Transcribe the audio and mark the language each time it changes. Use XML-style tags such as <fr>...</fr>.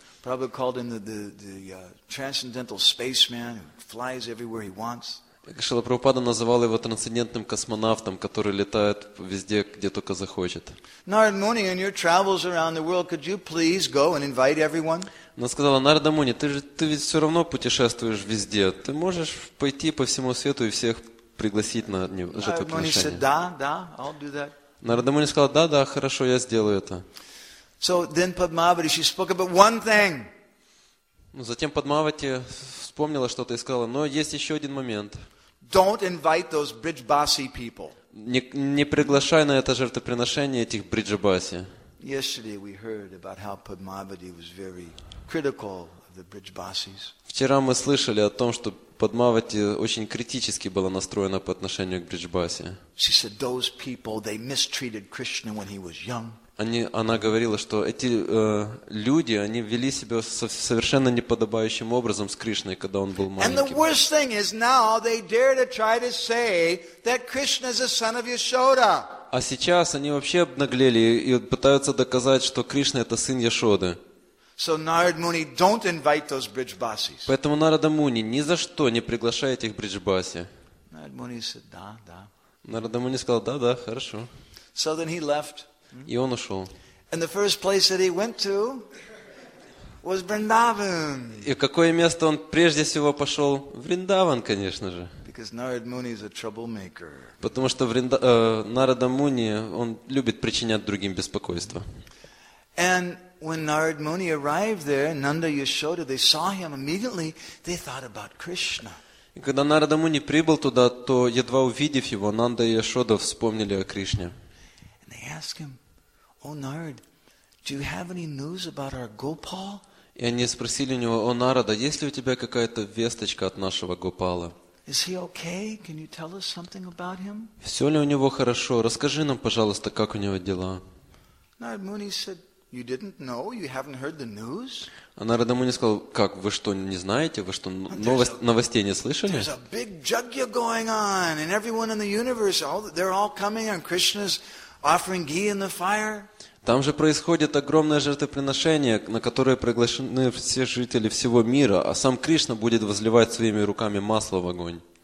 <en>Prabhupada called him transcendental spaceman who flies everywhere he wants.</en> <ru>Шрила Прабхупада называл его трансцендентным космонавтом, который летает везде, где только захочет.</ru> <en>Narad Muni, in your travels around the world, could you please go and invite everyone?</en> <ru>Она сказала, Нарада Муни, ты ведь все равно путешествуешь везде. Ты можешь пойти по всему свету и всех пригласить на жертвоприношение? Да, да,</ru> <en>I'll do that.</en> <ru>Нарада Муни сказала, да, да, хорошо, я сделаю это.</ru> <en>So then Padmavati, she spoke about one thing.</en> <ru>Затем Падмавати вспомнила что-то и сказала, но есть еще один момент.</ru> <en>Don't invite those Bridgebasi people.</en> <ru>Не приглашай на это жертвоприношение этих Бриджабаси.</ru> <en>Yesterday we heard about how Padmavati was very critical of the Bridgebasis.</en> <ru>Вчера мы слышали о том, что Падмавати очень критически была настроена по отношению к Бриджбаси.</ru> <en>She said those people they mistreated Krishna when he was young.</en> <ru>Она говорила, что эти люди, они вели себя совершенно неподобающим образом с Кришной, когда он был маленьким.</ru> <en>And the worst thing is now they dare to try to say that Krishna is the son of Yashoda.</en> <ru>А сейчас они вообще обнаглели и пытаются доказать, что Кришна это сын Яшоды.</ru> <en>So Narad Muni, don't invite those Bridgebasis.</en> <ru>Поэтому Нарада Муни ни за что не приглашай этих Бриджбаси.</ru> <en>Narad Muni said,</en> <ru>да, да. Нарада Муни сказал, да, да, хорошо.</ru> <en>So then he left.</en> <ru>И он ушел.</ru> <en>And the first place that he went to was Vrindavan.</en> <ru>И какое место он прежде всего пошел? Вриндаван, конечно же.</ru> <en>Because Narad Muni is a troublemaker.</en> <ru>Потому что Нарада Муни, он любит причинять другим беспокойство.</ru> <en>And when Narad Muni arrived there, Nanda Yashoda, they saw him immediately, they thought about Krishna.</en> <ru>И когда Нарада Муни прибыл туда, то едва увидев его, Нанда и Яшода вспомнили о Кришне.</ru> <en>And they asked him, "Oh Narad, do you have any news about our Gopal?"</en> <ru>И они спросили у него, "О Нарада, есть ли у тебя какая-то весточка от нашего Гопала?"</ru> <en>Is he okay? Can you tell us something about him?</en> <ru>Все ли у него хорошо? Расскажи нам, пожалуйста, как у него дела.</ru> <en>Narad Muni said, "You didn't know? You haven't heard the news?"</en> <ru>А Нарада Муни сказал, "Как вы что не знаете? Вы что новостей не слышали?"</ru> <en>There's a big jagya going on, and everyone in the universe, they're all coming, and Krishna's offering ghee in the fire.</en> <ru>Там же происходит огромное жертвоприношение, на которое приглашены все жители всего мира, а сам Кришна будет возливать своими руками масло в огонь.</ru>